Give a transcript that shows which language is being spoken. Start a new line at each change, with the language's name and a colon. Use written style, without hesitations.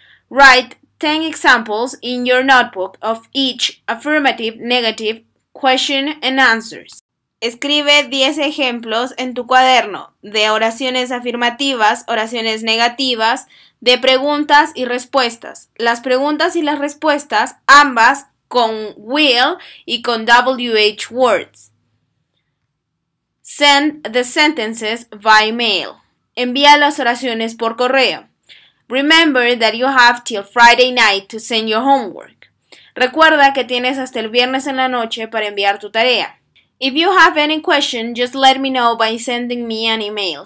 English: Write 10 examples in your notebook of each affirmative, negative, question and answers.
Spanish: Escribe 10 ejemplos en tu cuaderno de oraciones afirmativas, oraciones negativas, de preguntas y respuestas. Las preguntas y las respuestas, ambas con will y con WH words.
English: Send the sentences by mail.
Spanish: Envía las oraciones por correo.
English: Remember that you have till Friday night to send your homework.
Spanish: Recuerda que tienes hasta el viernes en la noche para enviar tu tarea.
English: If you have any question, just let me know by sending me an email.